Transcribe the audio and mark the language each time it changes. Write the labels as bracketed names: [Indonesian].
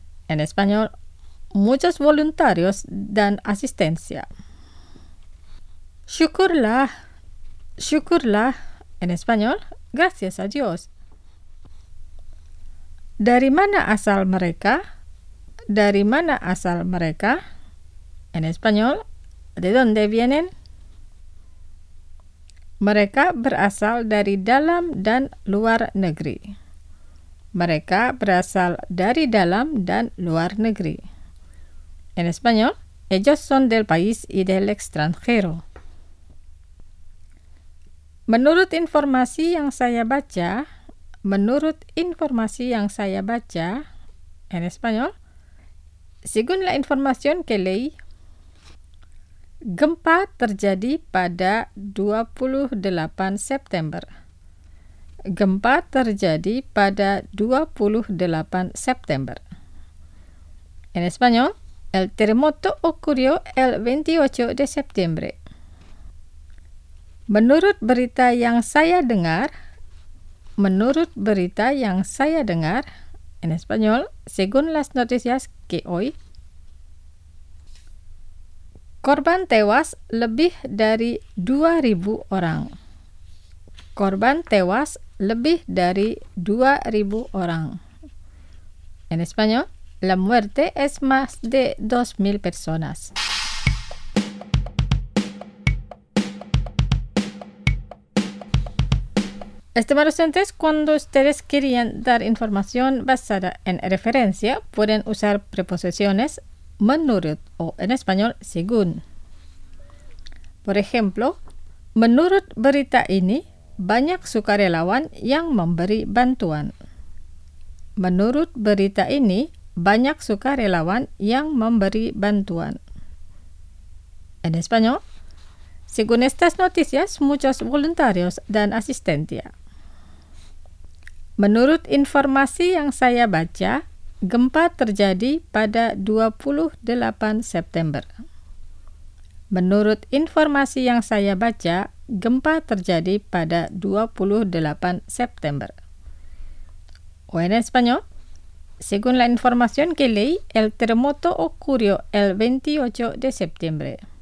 [Spanish] En español, muchos voluntarios dan asistencia. [Indonesian] Syukurlah. Syukurlah, [Spanish] en español, gracias a Dios. [Indonesian] Dari mana asal mereka? Dari mana asal mereka? [Spanish] En español, ¿de dónde vienen? [Indonesian] Mereka berasal dari dalam dan luar negeri. Mereka berasal dari dalam dan luar negeri. [Spanish] En español, ellos son del país y del extranjero. [Indonesian] Menurut informasi yang saya baca, [Spanish] en español, según la información que leí, [Indonesian] Gempa terjadi pada 28 September. Gempa terjadi pada 28 September. [Spanish] En español, el terremoto ocurrió el 28 de septiembre. [Indonesian] Menurut berita yang saya dengar, [Spanish] en español, según las noticias que hoy, [Indonesian] korban tewas lebih dari 2.000 orang. Korban tewas lebih dari 2.000 orang. [Spanish] En español, la muerte es más de 2.000 personas. Estimados docentes, cuando ustedes querían dar información basada en referencia, pueden usar preposiciones menurut o en español según. Por ejemplo, [Indonesian] menurut berita ini, banyak sukarelawan yang memberi bantuan. Menurut berita ini, banyak sukarelawan yang memberi bantuan. [Spanish] En español, según estas noticias, muchos voluntarios dan asistencia. [Indonesian] Menurut informasi yang saya baca, gempa terjadi pada 28 September. Menurut informasi yang saya baca, gempa terjadi pada 28 September. [Spanish] O en español, según la información que leí, el terremoto ocurrió el 28 de septiembre.